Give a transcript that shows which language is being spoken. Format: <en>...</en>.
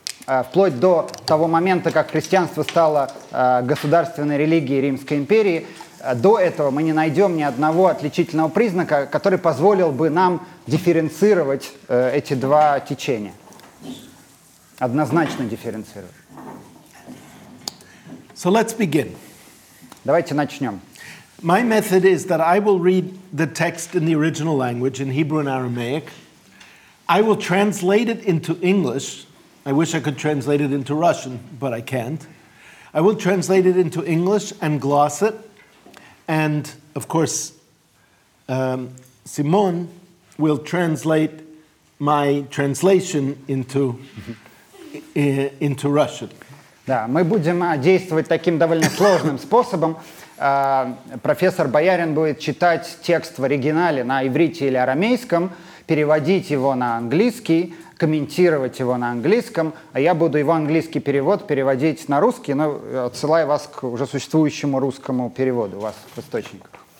<ru>вплоть до того момента, как христианство стало государственной религией Римской империи, до этого мы не найдем ни одного отличительного признака, который позволил бы нам дифференцировать эти два течения. Однозначно дифференцировать.</ru> <en>So let's begin.</en> <ru>Давайте начнем.</ru> <en>My method is that I will read the text in the original language, in Hebrew and Aramaic. I will translate it into English. I wish I could translate it into Russian, but I can't. I will translate it into English and gloss it. And, of course, Simon will translate my translation into Russian.</en> <ru>Да, мы будем действовать таким довольно сложным способом. Профессор Боярин будет читать текст в оригинале на иврите или арамейском, переводить его на английский, комментировать его на английском, а я буду его английский перевод переводить на русский, но отсылаю вас к уже существующему русскому переводу у вас в источниках.</ru>